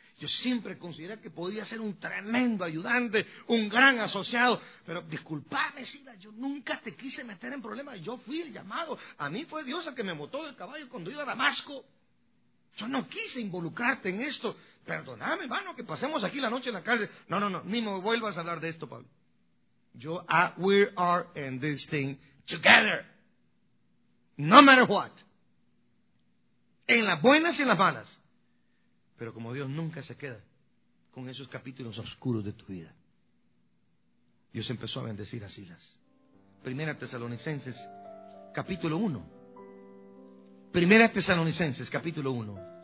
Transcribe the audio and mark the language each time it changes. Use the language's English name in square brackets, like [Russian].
[Spanish] Yo siempre consideré que podía ser un tremendo ayudante, un gran asociado. Pero discúlpame, Sila, yo nunca te quise meter en problemas. Yo fui el llamado. A mí fue Dios el que me botó del caballo cuando iba a Damasco. Yo no quise involucrarte en esto. Perdóname, hermano, que pasemos aquí la noche en la cárcel. No, no, no, ni me vuelvas a hablar de esto, Pablo. [English] Yo, we are in this thing together. No matter what. [Spanish] En las buenas y en las malas. Pero como Dios nunca se queda con esos capítulos oscuros de tu vida, Dios empezó a bendecir a Silas. Primera Tesalonicenses, capítulo 1. Primera Tesalonicenses, capítulo 1.